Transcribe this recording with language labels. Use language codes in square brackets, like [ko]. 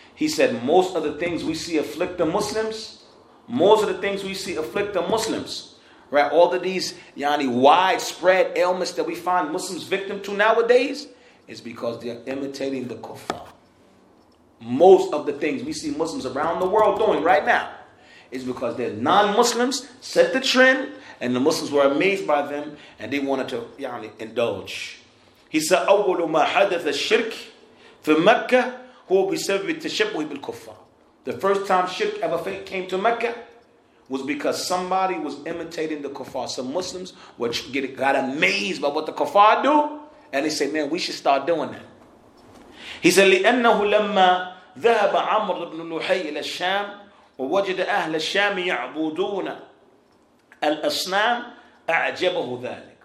[en] He said, most of the things we see afflict the Muslims, right, all of these, yani, widespread ailments that we find Muslims victim to nowadays is because they are imitating the kuffar. Most of the things we see Muslims around the world doing right now is because they're non-Muslims, set the trend, and the Muslims were amazed by them and they wanted to, yani, indulge. He said, [ar] أول ما حدث الشرك في مكة هو بسبب التشبه بالكفار. [en] The first time shirk ever came to Mecca was because somebody was imitating the kuffar. Some Muslims got amazed by what the kuffar do, and they said, man, we should start doing that. He said, [ar] لِأَنَّهُ لَمَّا ذَهَبَ عَمْرُ بْنُ لُحَيْ إِلَى الشَّامِ وَوَجِدَ أَهْلَ الشَّامِ يَعْبُدُونَ الْأَصْنَامِ أَعْجَبَهُ ذَلِكَ.